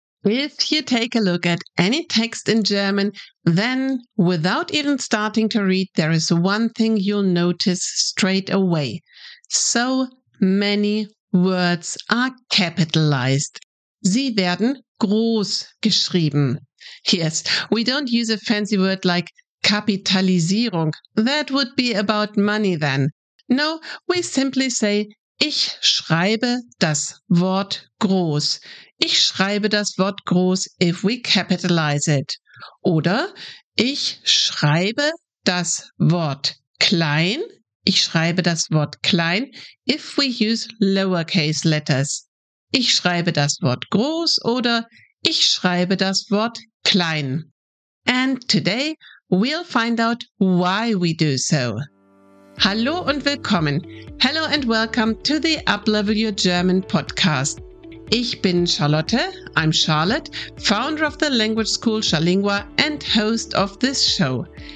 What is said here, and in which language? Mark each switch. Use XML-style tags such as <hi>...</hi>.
<en>If you take a look at any text in German, then without even starting to read, there is one thing you'll notice straight away. So many words are capitalized.</en> <de>Sie werden groß geschrieben.</de> <en>Yes, we don't use a fancy word like Kapitalisierung. That would be about money then. No, we simply say,</en> <de>ich schreibe das Wort groß. Ich schreibe das Wort groß</de> <en>if we capitalize it.</en> <de>Oder ich schreibe das Wort klein. Ich schreibe das Wort klein</de> <en>if we use lowercase letters.</en> <de>Ich schreibe das Wort groß oder ich schreibe das Wort klein.</de> <en>And today we'll find out why we do so.</en> <de>Hallo und willkommen.</de> <en>Hello and welcome to the Uplevel Your German podcast.</en> <de>Ich bin Charlotte,</de> <en>I'm Charlotte, founder of the language school Charlingua and host of this show.</en>